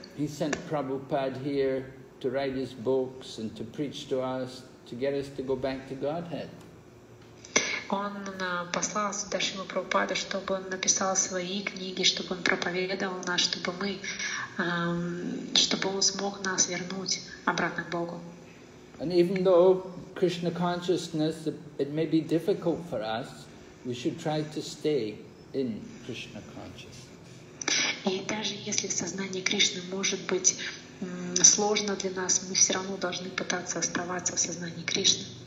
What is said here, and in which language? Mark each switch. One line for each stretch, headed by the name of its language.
English: He sent Prabhupada here to write his books and to preach to us, to get us to go back to Godhead.
Russian: Он послал сюда Шрилу Прабхупаду, чтобы он написал свои книги, чтобы он проповедовал нас, чтобы он смог нас вернуть обратно к Богу.
English: And even though Krishna consciousness, it may be difficult for us, we should try to stay in Krishna consciousness.
Russian: И даже если сознание Кришны может быть сложно для нас, мы все равно должны пытаться оставаться в сознании Кришны.